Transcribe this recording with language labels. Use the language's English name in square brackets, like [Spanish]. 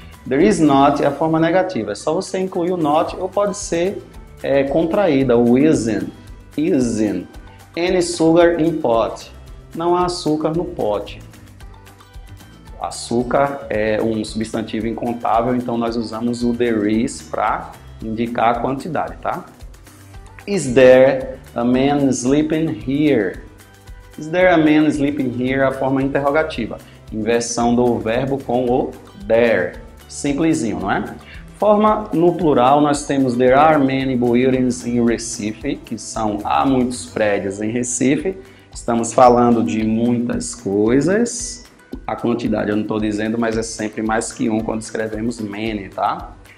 [English] There is not [Portuguese] é a forma negativa. É só você incluir o not ou pode ser contraída, o isn't. Isn't. [English] Any sugar in pot. [Portuguese] Não há açúcar no pote. Açúcar é um substantivo incontável, então nós usamos o there is para indicar a quantidade, tá? [English] Is there a man sleeping here? Is there a man sleeping here? [Portuguese] A forma interrogativa. Inversão do verbo com o there. Simplesinho, não é? Forma no plural, nós temos [English] there are many buildings in Recife, [Portuguese] que são há muitos prédios em Recife. Estamos falando de muitas coisas. A quantidade eu não estou dizendo, mas é sempre mais que um quando escrevemos many, tá?